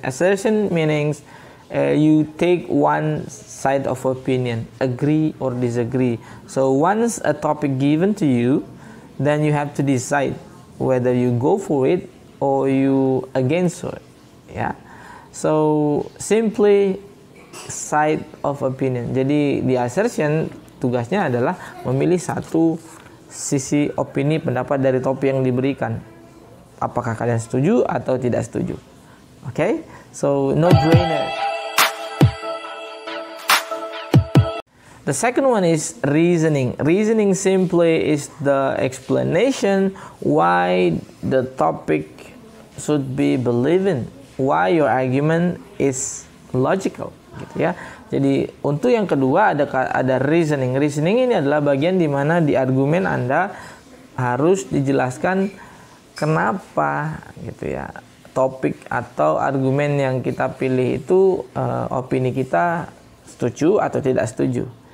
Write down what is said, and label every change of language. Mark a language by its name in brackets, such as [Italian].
[English] Assertion means you take one side of opinion, agree or disagree. So once a topic given to you, then you have to decide whether you go for it or you against it. Yeah. So simply side of opinion. [Indonesian] Jadi di assertion tugasnya adalah memilih satu sisi opini pendapat dari topik yang diberikan. Apakah kalian setuju atau tidak setuju? [English] Okay, so no brainer. The second one is reasoning. Reasoning simply is the explanation why the topic should be believed in, why your argument is logical, [Indonesian] gitu ya. Jadi untuk yang kedua ada reasoning. Reasoning ini adalah bagian di mana di argumen Anda harus dijelaskan kenapa gitu ya topik atau argumen yang kita pilih itu opini kita setuju atau tidak setuju.